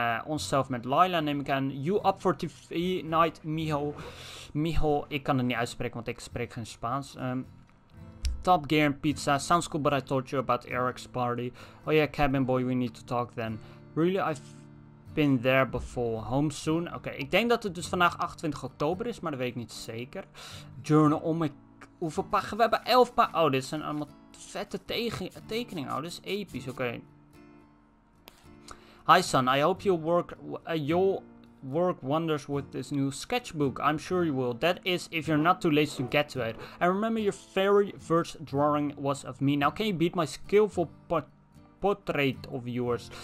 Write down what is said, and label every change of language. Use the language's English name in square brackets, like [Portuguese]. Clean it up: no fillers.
[Dutch] Onszelf met Lila, neem ik aan. [English] You up for TV night, mijo. [Dutch] Mijo, ik kan het niet uitspreken, want ik spreek geen Spaans. [English] Top Gear and Pizza. Sounds cool, but I told you about Eric's party. Oh yeah, cabin boy, we need to talk then. Really, been there before. Home soon. [Dutch] Oké, ik denk dat het dus vandaag 28 oktober is, maar dat weet ik niet zeker. Journal. Oh my... Hoeveel pagina? We hebben 11 pagina. Oh, dit zijn allemaal vette tekeningen. Oh, dit is episch. Oké. Okay. [English] Hi, son. I hope you'll work wonders with this new sketchbook. I'm sure you will. That is, if you're not too late to get to it. I remember your very first drawing was of me. Now, can you beat my skillful portrait of yours.